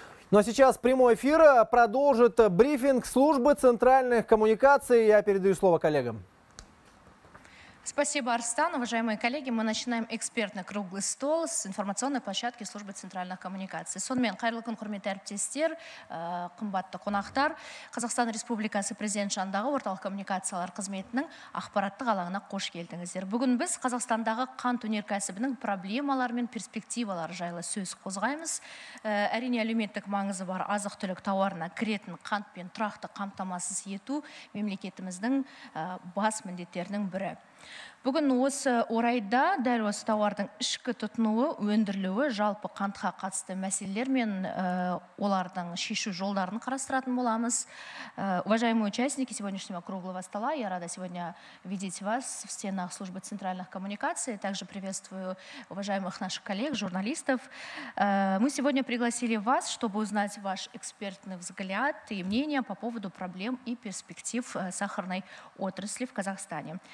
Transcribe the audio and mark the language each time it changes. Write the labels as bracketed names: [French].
[Russian] Ну а сейчас прямой эфир продолжит брифинг службы центральных коммуникаций. Я передаю слово коллегам. Спасибо, Арстан. Уважаемые коллеги, мы начинаем экспертный круглый стол с информационной площадки службы центральных коммуникаций. [Kazakh] Сонымен, қайырлы күн, құрметті әріптестер, қымбатты қонақтар. Қазақстан Республикасы президент жанындағы орталық коммуникациялар қызметінің ақпараттық алаңына қош келдіңіздер. Бүгін біз Қазақстандағы қант өнеркәсібінің проблемалары мен перспективалары жайлы сөз қозғаймыз. Әрине, әлеуметтік маңызы бар азық-түлік тауарына кіретін қант пен тұрақты қамтамасыз ету мемлекетіміздің бас міндеттерінің бірі. Бүгін осы орайда дәл осы тауардың ішкі тұтынуы, өндірілуі, жалпы қантқа қатысты мәселелер мен олардың шешу жолдарын қарастыратын боламыз. [Russian] Уважаемые участники сегодняшнего круглого стола, я рада сегодня видеть вас в стенах службы центральных коммуникаций. Также приветствую уважаемых наших коллег, журналистов. Мы сегодня пригласили вас, чтобы узнать ваш экспертный взгляд и мнение по поводу проблем и перспектив сахарной отрасли в Казахстане.